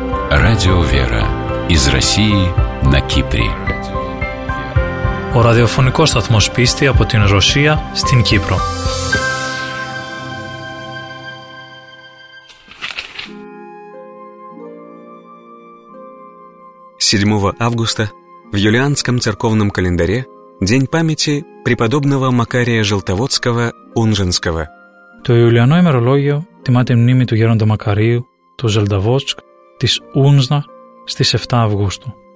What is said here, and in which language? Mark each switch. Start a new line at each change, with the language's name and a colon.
Russian: Радио «Вера» из России на Кипре.
Greek: Ο ραδιοφωνικός σταθμός πίστη από την Ρωσία στην Κύπρο.
Russian: Седьмого августа в юлианском церковном календаре день памяти преподобного Макария Желтоводского Унженского.
Greek: Το Ιουλιανό ημερολόγιο τιμά τη μνήμη του Γέροντα Μακαρίου, του Ζελταβότσκ, της Ούνζνα, στις 7 Αυγούστου.